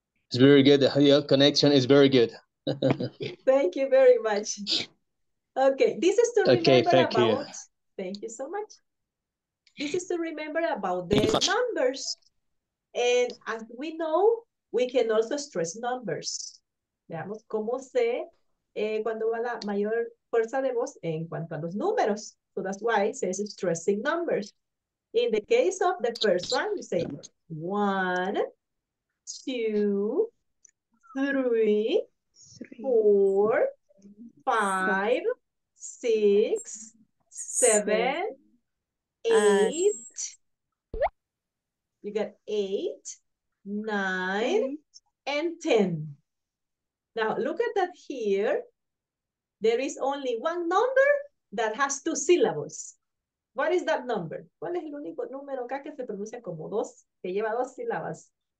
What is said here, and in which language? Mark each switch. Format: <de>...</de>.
<en>It's very good. Your connection is very good. Thank you very much. Okay, this is to remember thank you so much. This is to remember about the numbers. And as we know, we can also stress numbers.</en> <es>Veamos cómo se, cuando va la mayor fuerza de voz en cuanto a los números.</es> <en>So that's why it says stressing numbers. In the case of the first one, you say 1, 2, 3, 4, 5, 6, 7, 8. You get 8, 9, and 10. Now, look at that here. There is only one number that has two syllables. What is that number?</en> <es>¿Cuál es el único número acá que se pronuncia como dos, que lleva dos sílabas?</es>